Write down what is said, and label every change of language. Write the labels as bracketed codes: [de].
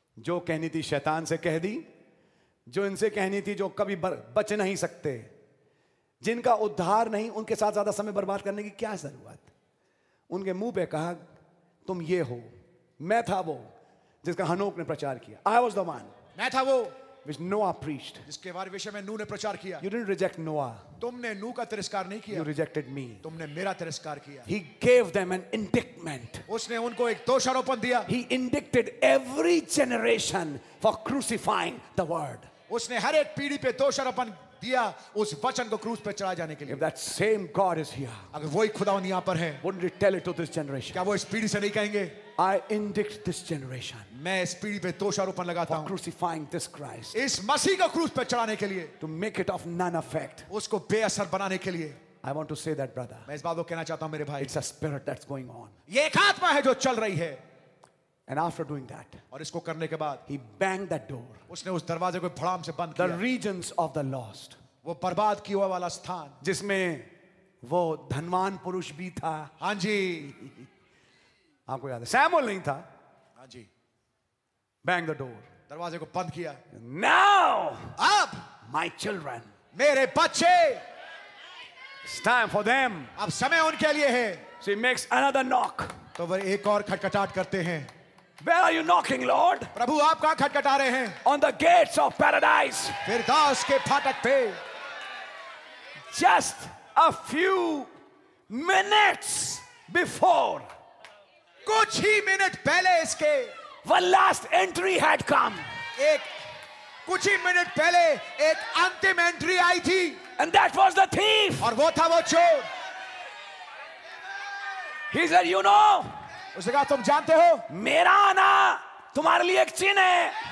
[hi] जो कहनी थी शैतान से कह दी जो इनसे कहनी थी जो कभी बच नहीं सकते जिनका उद्धार नहीं उनके साथ ज्यादा समय बर्बाद करने की क्या जरूरत उनके मुंह पे कहा तुम ये हो मैं था वो जिसका हनोक ने प्रचार किया [en] I was the one [hi] मैं था वो [en] Which Noah preached. [hi] जिसके बारे विषय में नू ने प्रचार किया. [en] You didn't reject Noah. [hi] तुमने नू का तिरस्कार नहीं किया. [en] You rejected me. [hi] तुमने मेरा तिरस्कार किया. [en] He gave them an indictment. [hi] उसने उनको एक दोषारोपण दिया. [en] He indicted every generation for crucifying the word. [hi] उसने हर एक पीढ़ी पे दोषारोपण दिया उस वचन को क्रूस पे चढ़ा जाने के लिए. [en] If that same God is here, [hi] अगर वही खुदावन यहाँ पर है, [en] wouldn't it tell it to this generation? [hi] क्या वो इस पीढ़ी से नहीं कहेंगे? [en] I indict this generation. [hi] मैं इस पीढ़ी पे दोषारोपण लगाता हूँ. [en] For crucifying this Christ. [hi] इस मसीह को क्रूस पे चढ़ाने के लिए. [en] To make it of none effect. [hi] उसको बेअसर बनाने के लिए. [en] I want to say that, brother. [hi] मैं इस बात को कहना चाहता हूँ मेरे भाई. [en] It's a spirit that's going on. [hi] ये एक आत्मा है जो चल रही है. [en] And after doing that, [hi] और इसको करने के बाद, [en] he banged that door. [hi] उसने उस दरवाजे को फड़ाम से बंद किया. [en] The regions of the lost. [hi] वो बर्बाद किया हुआ वाला स्थान, जिसमें वो धनवान पुरुष भी था. हाँ जी. आपको याद है? सैमुएल नहीं था. हाँ जी. [en] Bang the door. [hi] दरवाजे को बंद किया. [en] Now, [hi] अब, [en] my children. [hi] मेरे बच्चे. [en] It's time for them. [hi] अब समय उनके लिए है. [en] So he makes another knock. [hi] तो वो एक और खटखटाहट करते हैं. [en] Where are you knocking, Lord? [hi] प्रभु आप कहाँ खटखटा रहे हैं? [en] On the gates of paradise. [hi] फिरदौस के फाटक पे. [en] Just a few minutes before. [hi] कुछ ही मिनट पहले इसके. [en] One last entry had come. [hi] एक कुछ ही मिनट पहले एक अंतिम एंट्री आई थी. [en] And that was the thief. [hi] और वो था वो चोर. [en] He said, you know. [hi] उसने कहा तुम जानते हो मेरा आना तुम्हारे लिए एक चिन्ह है